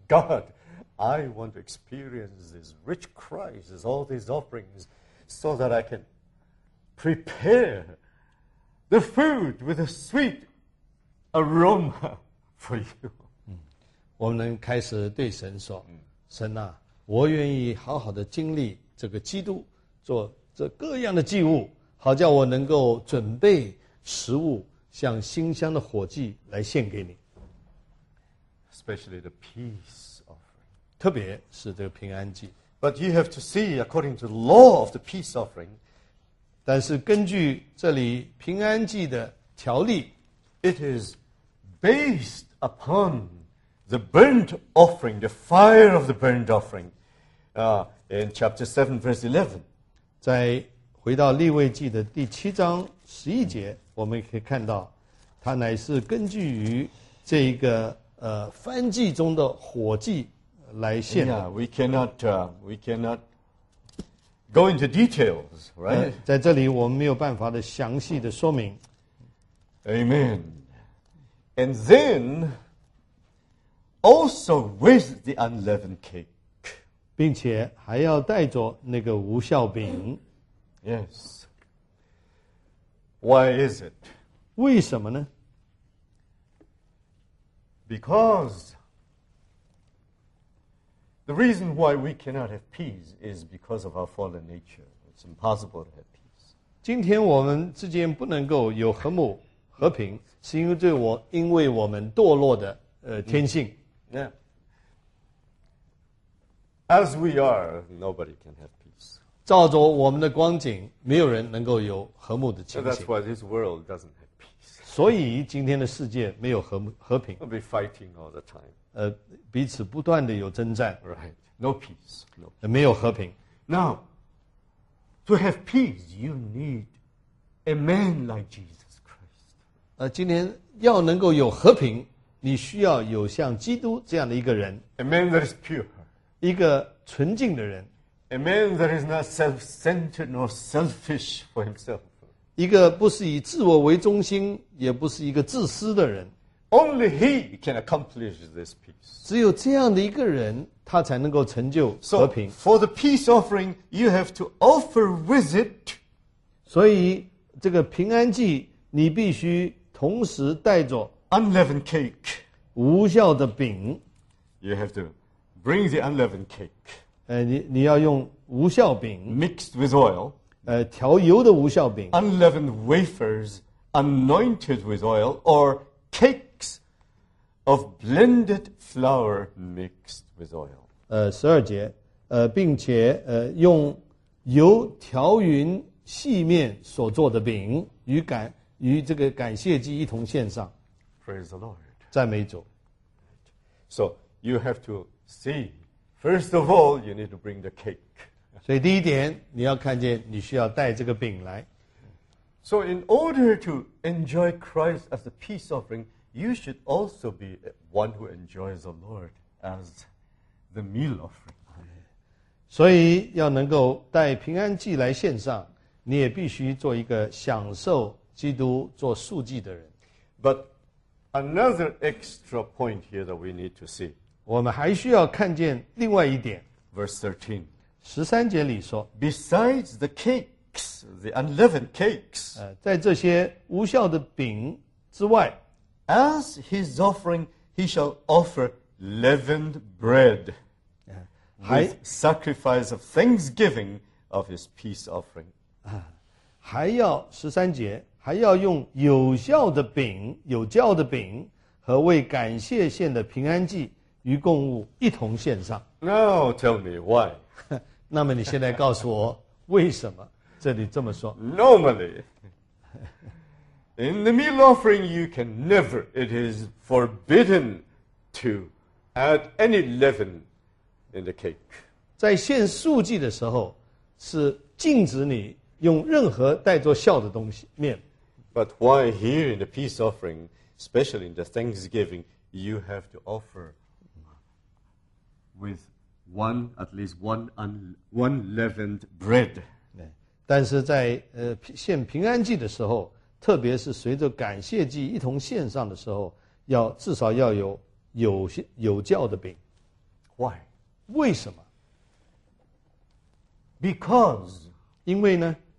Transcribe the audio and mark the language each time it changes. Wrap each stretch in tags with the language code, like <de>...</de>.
<en>God, I want to experience this rich Christ, all these offerings, so that I can prepare the food with a sweet aroma for you.</en> <zh>我们能开始对神说神啊，我愿意好好的经历这个基督，做这各样的祭物，好叫我能够准备食物，像馨香的火祭来献给你。</zh> <en>Especially the peace offering.</en> <zh>特别是这个平安祭。</zh> <en>But you have to see, according to the law of the peace offering,</en> <zh>但是根据这里平安祭的条例</zh> <en>，it is based upon. The burnt offering, the fire of the burnt offering, in chapter 7, verse 11.</en> <zh>再回到利未记的第七章十一节，我们可以看到，它乃是根据于这一个燔祭中的火祭来献的。</zh> <en>Yeah, we cannot go into details, right?</en> <zh>在这里我们没有办法的详细的说明。</zh> <en>Amen. And then. Also with the unleavened cake.</en> <zh>并且还要带着那个无酵饼。</zh> <en>Yes. Why is it?</en> <zh>为什么呢?</zh> <en>Because the reason why we cannot have peace is because of our fallen nature. It's impossible to have peace.</en> <zh>今天我们之间不能够有和睦和平是因为我们堕落的天性。</zh> <en>Yeah. As we are, nobody can have peace.</en> <zh>照着我们的光景，没有人能够有和睦的情</zh> <en>形。So that's why this world doesn't have peace.</en> <zh>所以今天的世界没有和平。</zh> <en>We'll be fighting all the time.</en> <zh>彼此不断的有征战。</zh> <en>Right. No peace. No.</en> <zh>没有和平。</zh> <en>Now, to have peace, you need a man like Jesus Christ.</en> <zh>今天要能够有和平。你需要有像基督这样的一个人</zh> <en>，A man that is pure，</en> <zh>一个纯净的人</zh> <en>，A man that is not self-centered nor selfish for himself，</en> <zh>一个不是以自我为中心，也不是一个自私的人。</zh> <en>Only he can accomplish this peace。</en> <zh>只有这样的一个人，他才能够成就和平。</zh> <en>So for the peace offering, you have to offer with it。</en> <zh>所以这个平安祭，你必须同时带着。</zh> <en>Unleavened cake.</en> <zh>无效的饼</zh> <en>You have to bring the unleavened cake.</en> <zh>你要用无效饼</zh> <en>Mixed with oil.</en> <zh>调油的无效饼</zh> <en>Unleavened wafers anointed with oil or cakes of blended flour mixed with oil.</en> <zh>十二节并且用油调匀细面所做的饼与这个感谢祭一同献上</zh> <en>Praise the Lord.</en> <zh>赞美主。</zh> <en>So you have to see. First of all, you need to bring the cake.</en> <zh>所以第一点，你要看见你需要带这个饼来。</zh> <en>So in order to enjoy Christ as a peace offering, you should also be one who enjoys the Lord as the meal offering.</en> <zh>所以要能够带平安祭来献上，你也必须做一个享受基督做素祭的人。</zh> <en>But Another extra point here that we need to see.</en> <zh>我们还需要看见另外一点。</zh> <en>Verse</en> <zh>13. 13节里说</zh> <en>Besides the cakes, the unleavened cakes,</en> <zh>在这些无效的饼之外</zh> <en>As his offering, he shall offer leavened bread with sacrifice of thanksgiving of his peace offering.</en> <zh>还要十三节还要用有效的饼有酵的饼和为感谢献的平安祭与供物一同献上。</zh> <en>Now tell me why.</en> <zh>那么你现在告诉我为什么这里这么说。</zh> <en>Normally, in the meal offering, you can never, it is forbidden to add any leaven in the cake.</en> <zh>在献素祭的时候是禁止你用任何带作酵的东西面。</zh> <en>But why here in the peace offering, especially in the thanksgiving, you have to offer with one, at least one unleavened bread?</en> <zh>但是在献平安祭的时候，特别是随着感谢祭一同献上的时候，要至少要有有酵的饼。</zh> <en>Why?</en> <zh>为什么</zh> <en>？Because</en> <zh>因为呢</zh>